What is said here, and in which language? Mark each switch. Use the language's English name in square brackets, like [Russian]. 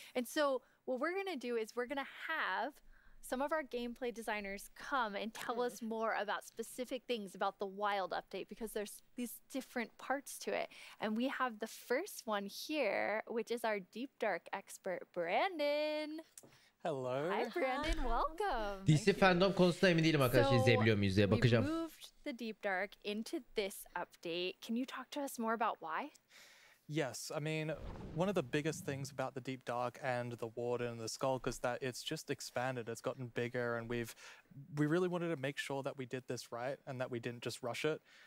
[English] And so what we're going to do is we're going to have some of our gameplay designers come and tell us more about specific things about the wild update, because there's these different parts to it. And we have the first one here, which is our deep dark expert, Brandon. Hello. Hi, Brandon. Welcome. [Turkish] DC fandom konusunda emin değilim arkadaşlar, izleyebiliyor muyuz diye bakacağım. [English] We moved the deep dark into this update. Can you talk to us more about why? Yes, I mean, one of the biggest things about the Deep Dark and the Warden and the Skulk is that it's just expanded. It's gotten bigger, and we really wanted to make sure that we did this right and that we didn't just rush it.